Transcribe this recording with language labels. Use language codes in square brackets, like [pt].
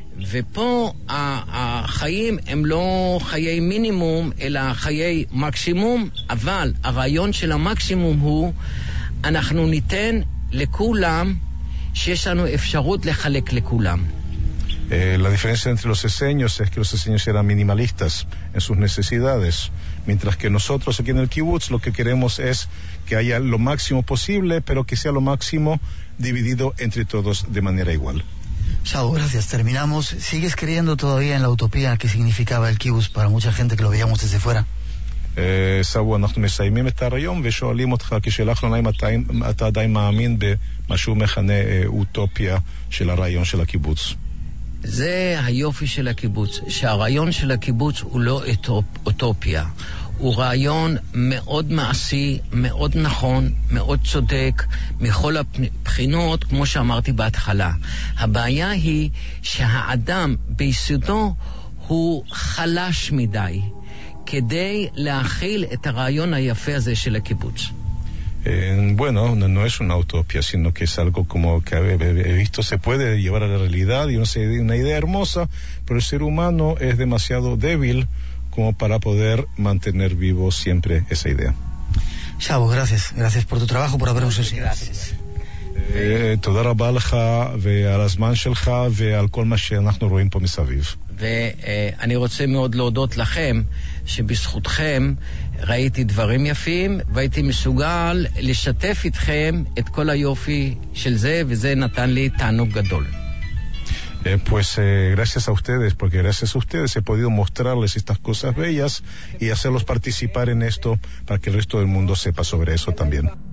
[he] ופה החיים הם לא חיי מינימום אלא חיי מקסימום, אבל הרעיון של המקסימום הוא אנחנו ניתן לכולם שיש לנו אפשרות לחלק לכולם. [es] La diferencia entre los esenios es que los esenios eran minimalistas en sus necesidades, mientras que nosotros aquí en el kibbutz lo que queremos es que haya lo máximo posible, pero que sea lo máximo dividido entre todos de manera igual. Chao, gracias. Terminamos. ¿Sigues creyendo todavía en la utopía que significaba el kibbutz para mucha gente que lo veíamos desde fuera? [he] Sabu, אנחנו מסיימים את הרעיון ושואלים אותך כשאלה אחרונה אם אתה עדיין מאמין במשהו מכנה אוטופיה של הרעיון של הקיבוץ. זה היופי של הקיבוץ, שהרעיון של הקיבוץ הוא לא אוטופיה, הוא רעיון מאוד מעשי, מאוד נכון, מאוד צודק מכל הבחינות, כמו שאמרתי בהתחלה. הבעיה היא שהאדם ביסודו הוא חלש מדי כדי להכיל את הרעיון היפה הזה של הקיבוץ. [es] Bueno, no es una utopía, sino que es algo como que he visto se puede llevar a la realidad y una idea hermosa, pero el ser humano es demasiado débil como para poder mantener vivo siempre esa idea. Chavo, gracias. Gracias por tu trabajo, por habernos enseñado. Gracias. [he] Toda la balja, ve a las manchelja, ve al colma, que אנחנו רואים פה מסביב. ואני רוצה מאוד להודות לכם שבזכותכם ראיתי דברים יפים והייתי מסוגל לשתף איתכם את כל היופי של זה, וזה נתן לי תענוג גדול. [es] Pues gracias a ustedes, porque gracias a ustedes he podido mostrarles estas cosas bellas y hacerlos participar en esto para que el resto del mundo sepa sobre eso también.